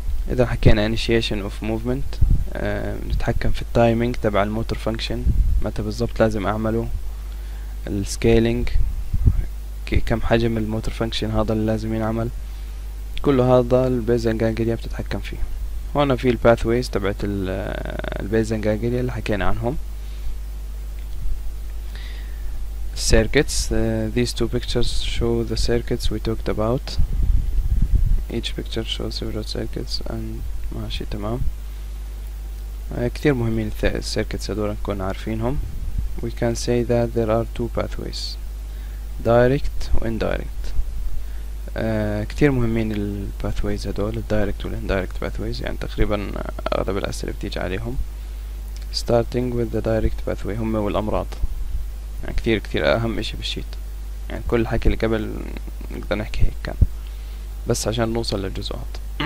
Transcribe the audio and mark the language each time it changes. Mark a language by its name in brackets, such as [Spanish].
[Arabic] اذا حكينا initiation of movement نتحكم في التايمينج تبع الموتور فانكشن متى بالضبط لازم اعمله، السكيلينج كم حجم الموتور فانكشن هذا اللي لازم ينعمل، كل هذا البيزن جانجليا بتتحكم فيه. هنا في الباثويز تبعت البيزن جانجليا اللي حكينا عنهم، circuits. [English] These two pictures show the circuits we talked about. Each picture shows several circuits and [Arabic] ماشي تمام. كتير مهمين circuits هذول نكون عارفينهم. [English] We can say that there are two pathways, direct and indirect. [Arabic] كتير مهمين الباثويز هذول، الدايركت والاندايركت باثويز، يعني تقريبا اغلب الاسئله بتيجي عليهم [English] starting with the direct pathway، [Arabic] هم والامراض يعني كتير كتير اهم اشي بالشيت، يعني كل الحكي اللي قبل نقدر نحكي هيك كان بس عشان نوصل للجزئات.